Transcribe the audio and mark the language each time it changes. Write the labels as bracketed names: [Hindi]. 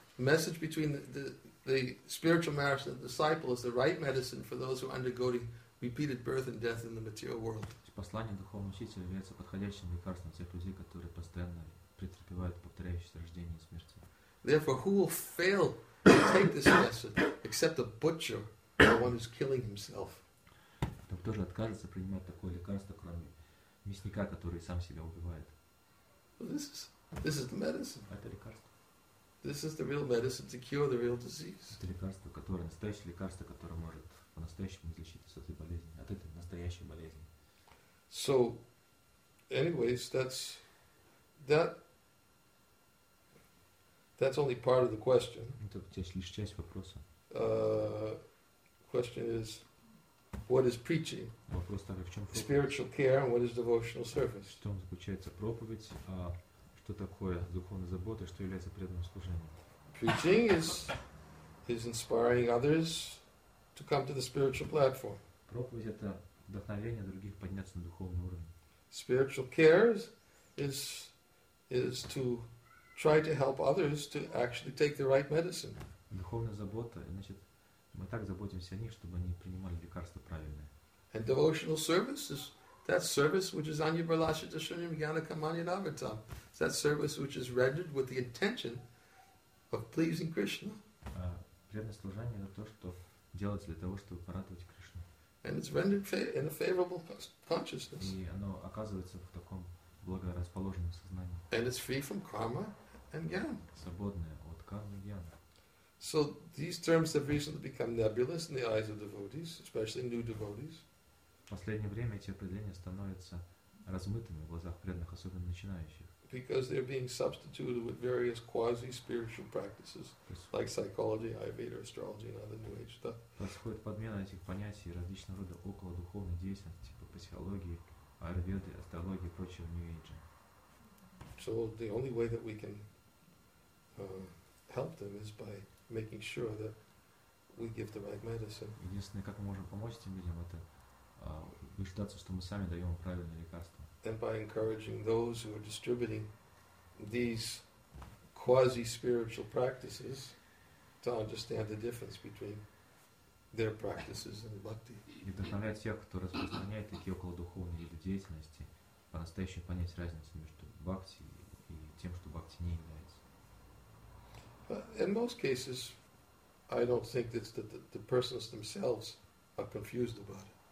[English] The message between the spiritual master and the disciple is the right medicine for those who are undergoing repeated birth and death in the material world. [Russian] Послание духовного учителя является подходящим лекарством для тех людей, которые постоянно претерпевают повторяющиеся рождения и смерти. [English] Therefore, who will fail to take this lesson except a butcher or one who's killing himself? [Russian] Кто же откажется принимать такое лекарство, кроме мясника, который сам себя убивает? [English] This is the medicine. [Russian] Это лекарство. [English] This is the real medicine to cure the real disease. [Russian] Это лекарство, которое настоящее лекарство, которое может по-настоящему излечить от этой болезни, от этой настоящей болезни. [English] So, anyways, that's only part of the question. [Russian] Это лишь часть вопроса. [English] Question is, what is preaching? [Russian] Вопрос такой: в чем проповедь? [English] Spiritual care and what is devotional service? [Russian] В чем заключается проповедь? А что такое духовная забота? Что является преданным служением? [English] Preaching is inspiring others to come to the spiritual platform. [Russian] Проповедь — это вдохновение других подняться на духовный уровень. [English] Spiritual care is to try to help others to actually take the right medicine. [Russian] Духовная забота, значит, мы так заботимся о них, чтобы они принимали лекарства правильные. [English] And devotional service is that service which is [Sanskrit] anyabralasya tashunyam jnana kamanya navartam. [English] It's that service which is rendered with the intention of pleasing Krishna. [Russian] Преданное служение — это то, что делается для того, чтобы порадовать Кришну. [English] And it's rendered in a favorable consciousness. [Russian] И оно оказывается в таком благорасположенном сознании. [English] And it's free from karma and jnana. [Russian] Свободное от кармы и джняны. [English] So these terms have recently become nebulous in the eyes of devotees, especially new devotees. [Russian] В последнее время эти определения становятся размытыми в глазах преданных, особенно начинающих. [English] Because they're being substituted with various quasi-spiritual practices, like psychology, Ayurveda, astrology, and other new age stuff. [Russian] Происходит подмена этих понятий различного рода околодуховной деятельности, типа психологии, Ayurveda, астрологии и прочего new age. [English] So the only way that we can help them is by making sure that we give the right medicine. [Russian] Единственное, как мы можем помочь этим людям, это убеждаться, что мы сами даем правильное лекарство. [English] And by encouraging those who are distributing these quasi-spiritual practices to understand the difference between their practices and bhakti. [Russian] И вдохновлять тех, кто распространяет такие околодуховные виды деятельности, по-настоящему понять разницу между бхакти и тем, что бхакти не является. [English] In most cases, I don't think that the persons themselves are confused about it.